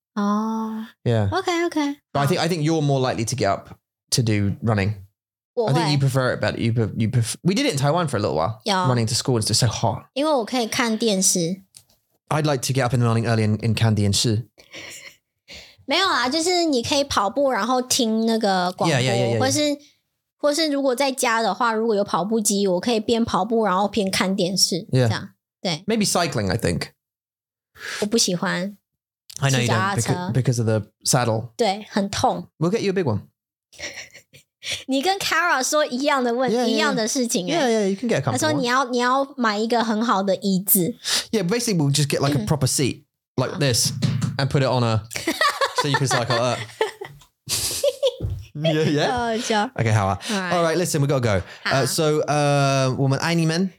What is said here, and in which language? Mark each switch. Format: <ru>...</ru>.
<en>Oh. Yeah. Okay, okay. But、oh. I think you're more likely to get up to do running. I think you prefer it better. We did it in Taiwan for a little while. Yeah. Running to school is just so hot.</en> <zh>因为我可以看电视。</zh> <en>I'd like to get up in the morning early in Candy and Shi.</en> <zh>没有啦，就是你可以跑步，然后听那个广播，</zh> <en>yeah, yeah, yeah, yeah, yeah.</en> <zh>或是如果在家的话，如果有跑步机，我可以边跑步然后边看电视，</zh> <en>yeah.</en> <zh>这样对。</zh> <en>Maybe cycling, I think.</en> <zh>我不喜欢。</zh> <en>I know you don't because of the saddle.</en> <zh>对，很痛。</zh> <en>We'll get you a big one.</en> <zh>你跟 Kara 说一样的问</zh> <en>yeah, yeah, yeah.</en> <zh>一样的事情、欸、</zh> <en>Yeah, yeah, you can get a comfortable</en> <zh>他说你要买一个很好的椅子</zh> <en>Yeah, basically we'll just get like a proper seat Like this And put it on a So you can cycle like that Yeah, yeah Okay, how are Alright, listen, we gotta go So,</en> <zh>我们爱你们</zh>